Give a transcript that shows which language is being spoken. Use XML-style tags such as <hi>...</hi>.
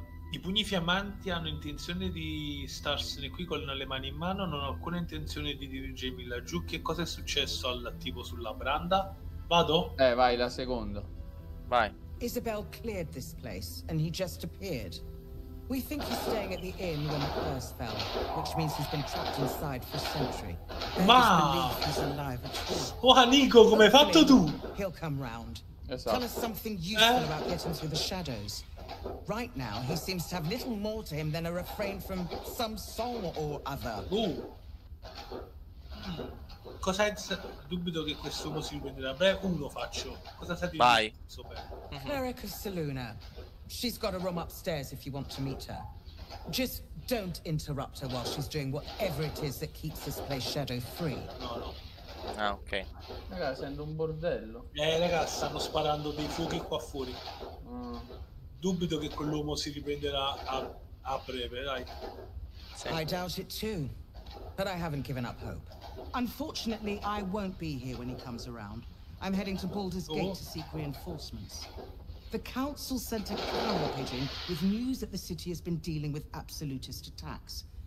<it>I pugni fiammanti hanno intenzione di starsene qui con le mani in mano, non ho alcuna intenzione di dirigermi laggiù. Che cosa è successo al tipo sulla branda? Vado? Vai, la seconda. Vai.</it> <en>Isabel cleared this place and he just appeared. We think he's staying at the inn when the curse fell, which means he's been trapped inside for a century.</en> <it>Ma! Oh, Nico, come hai fatto tu?</it> <en>He'll come round.</en> <it>Esatto.</it> <en>Tell us something useful about getting through the shadows. Right now, he seems to have little more to him than a refrain from some song or other. Ooh.</en> <it>cosa è, dubito che quest'uomo si prenderà. Beh, uno faccio. Cosa sa di Vai.</it> <en>Cleric of Saluna. She's got a room upstairs if you want to meet her. Just don't interrupt her while she's doing whatever it is that keeps this place shadow free.</en> <it>No, no. Ah, ok. Raga, sento un bordello. Raga, stanno sparando dei fuochi qua fuori. Dubito che quell'uomo si riprenderà a breve, dai.</it> <en>I doubt it too, but I haven't given up hope. Unfortunately, I won't be here when he comes around. I'm heading to Baldur's Gate to seek reinforcements. The council sent a carrier pigeon with news that the city has been dealing with absolutist attacks.</en>